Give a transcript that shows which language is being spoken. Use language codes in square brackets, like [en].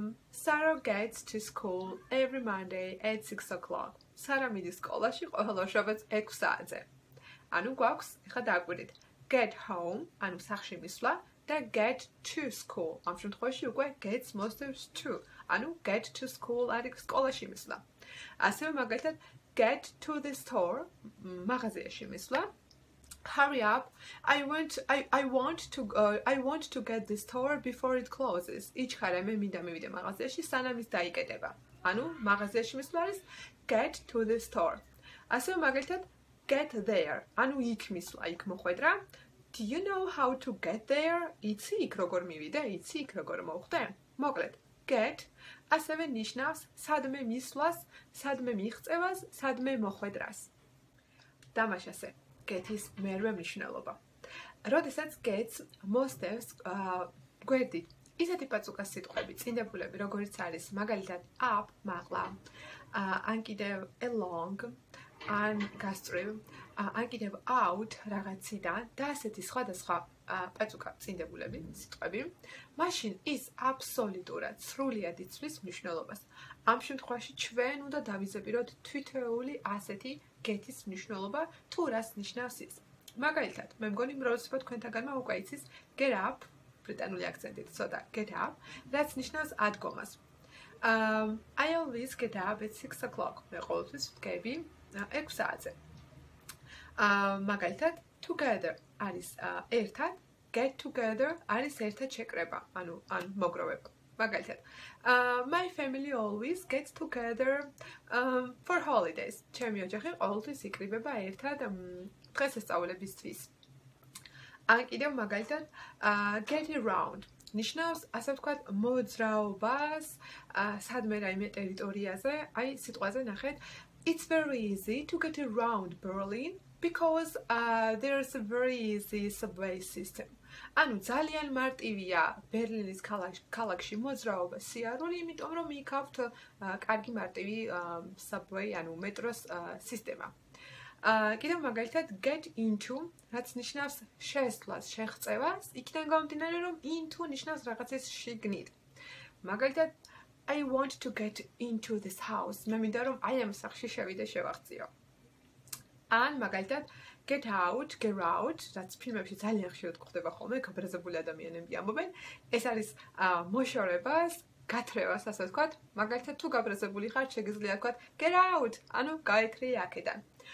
[en] Sarah gets to school every Monday at 6 o'clock. [ka] Sarah მიდის სკოლაში ყოველ შაბათს 6 საათზე. ანუ გვაქვს, ეხა დააკვირდით. [en] Get home, [ka] ანუ სახლში მისვლა, და [en] get to school. [ka] ამ შემთხვევაში უკვე gets მოსდევს to. ანუ get to school არის სკოლაში მისვლა. ასევე მაგალითად, get to the store, მაღაზიაში მისვლა. [en] Hurry up. I want to get this store before it closes. [ka] Ичхаре მე მინდა მივიდე მაღაზიაში სანამ ის დაიკეტება. ანუ მაღაზიაში მისვლა არის get to the store. ასევე მაგალითად get there. ანუ იქ მისვლა, იქ მოხვედრა. [en] Do you know how to get there? [ka] იცი იქ როგორ მივიდე? იცი იქ როგორ მოხვდე? მოკლედ get ასევე ნიშნავს სადმე მისვლას, სადმე მიღწევას, სადმე მოხვედრას. დამაშასე get-ის მერვე მნიშვნელობა. როდესაც get-ს მოსდევს გვერდი, ისეთი პაწუკა სიტყვები, წინდებულები, როგორიც არის მაგალითად up, მაღლა, ან კიდევ along, ან გასწრივ, ან კიდევ out, რაღაციდან, და ასეთი სხვადასხვა პაწუკა წინდებულები, სიტყვები, მაშინ ის აბსოლუტურად სრულად იცვლის მნიშვნელობას. ამ შემთხვევაში ჩვენ უნდა დავიზებიროთ თითოეული ასეთი get-ის მნიშვნელობა, თუ რას ნიშნავს ის. მაგალითად, მე მგონი მრავალსხვა თქვენთაგანმა უკვე იცის get up, ბრიტანული აქცენტით, ცოტა get up, რაც ნიშნავს ადგომას. [en] I always get up at 6 o'clock. [ka] მე ყოველთვის ვდგები 6 საათზე. მაგალითად, together არის ერთად, get together არის ერთად შეკრება, ანუ მოგროვება. [en] მაგალითად, my family always gets together for holidays. [ka] ჩემი ოჯახი ყოველთვის იკრიბება ერთად დღესასწაულებისთვის. ან კიდევ მაგალითად, get around ნიშნავს, ასე ვთქვათ, მოძრაობას სადმე რაიმე ტერიტორიაზე, აი სიტყვაზე ნახეთ, [en] it's very easy to get around Berlin because there's a very easy subway system. [ka] ანუ ძალიან მარტივია ბერლინის ქალაქში მოძრაობა სიარული, იმიტომ რომ იქ აქვთ კარგი მარტივი subway, ანუ მეტროს სისტემა. კიდევ მაგალითად get into, რაც ნიშნავს შესვლას, შეღწევას, იქიდან გამომდინარე რომ into ნიშნავს რაღაცის შიგნით. [en] მაგალითად I want to get into this house. [ka] მე მინდა რომ აი ამ სახლში შევიდე, შევაღწიო. ან მაგალითად get out, get out, რაც ფილმებში ძალიან ხშირად გვხვდება ხოლმე, გაბრაზებული ადამიანები ამბობენ. ეს არის მოშორებას, გათრევას, ასე ვთქვათ. მაგალითად თუ გაბრაზებული ხარ, შეგიძლია ვთქვათ get out, ანუ გაიქრიე აქედან.